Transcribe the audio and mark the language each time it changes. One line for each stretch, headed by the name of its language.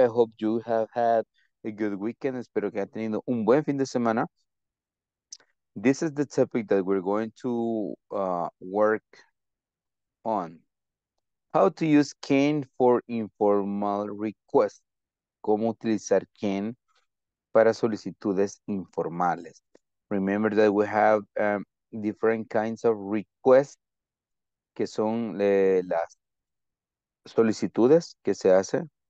English: I hope you have had a good weekend.
Spanish: Espero que hayan tenido un buen fin de semana.
English: This is the topic that we're going to work on. How to use can for informal requests.
Spanish: ¿Cómo utilizar can para solicitudes informales?
English: Remember that we have different kinds of requests,
Spanish: que son las solicitudes que se hacen.